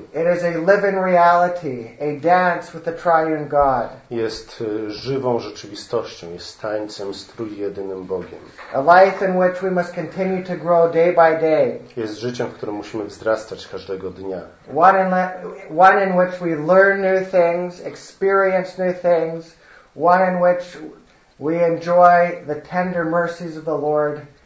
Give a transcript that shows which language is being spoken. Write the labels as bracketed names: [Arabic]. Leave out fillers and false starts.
[English] It is a living reality, a dance with the triune God. [Polish] Jest żywą rzeczywistością, jest tańcem z trójjedynym Bogiem. [English] A life in which we must continue to grow day by day. [Polish] Jest życiem, w którym musimy wzrastać każdego dnia. [English] One in which we learn new things, experience new things. One in which we enjoy the tender mercies of the Lord.